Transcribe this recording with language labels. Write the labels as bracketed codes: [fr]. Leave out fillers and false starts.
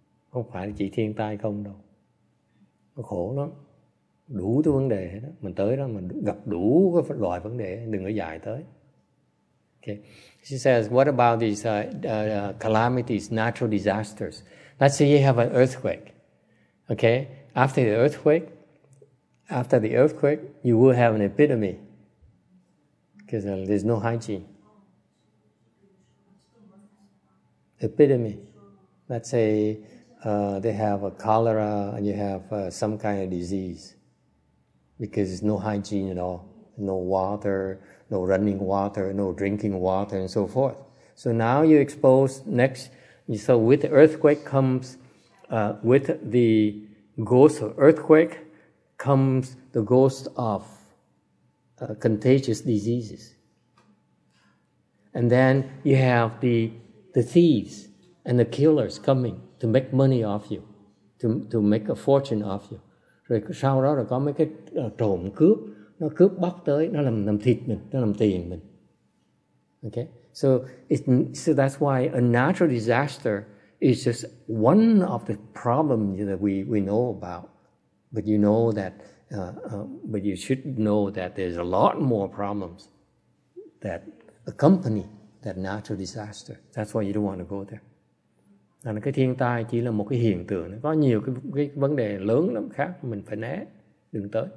[vi] Không phải chỉ thiên tai không đâu, nó khổ lắm, đủ thứ vấn đề hết đó. Mình tới đó mình gặp đủ cái loại vấn đề, đừng có dài tới. [en] Okay. She says, what about these calamities, natural disasters? Let's say you have an earthquake. Okay, after the earthquake, you will have an epidemic because there's no hygiene. Epidemic. Let's say they have a cholera and you have some kind of disease because there's no hygiene at all, no water, no running water, no drinking water, and so forth. So now you expose next So with the earthquake comes, with the ghost of earthquake comes the ghost of contagious diseases. And then you have the thieves and the killers coming to make money off you, to make a fortune off you. [vi] Rồi sau đó là có mấy cái trộm cướp, nó cướp bóc tới, nó làm thịt mình, nó làm tiền mình. [en] Okay, so that's why a natural disaster is just one of the problems that we know about. But you know that, but you should know that there's a lot more problems that accompany that natural disaster. That's why you don't want to go there. [vi] Là cái thiên tai chỉ là một cái hiện tượng, có nhiều cái vấn đề lớn lắm khác mình phải né, đừng tới.